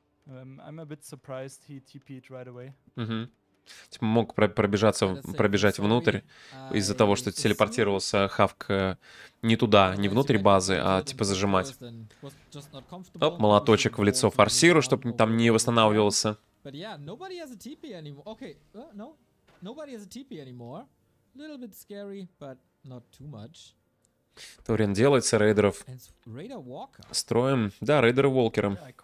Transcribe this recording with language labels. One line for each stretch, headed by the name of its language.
English: I'm a bit surprised he TP'd right away.
Russian: Типа мог пробежать внутрь из-за того, что телепортировался Хавк не туда, не внутрь базы, а типа зажимать. Оп, молоточек в лицо форсиру, чтобы там не восстанавливался.
English: But yeah, nobody has a TP anymore. Okay, no. Nobody has a TP anymore. A little bit scary, but not too much.
Russian: Торин делается, рейдеров строим. Да, рейдеры Уолкером.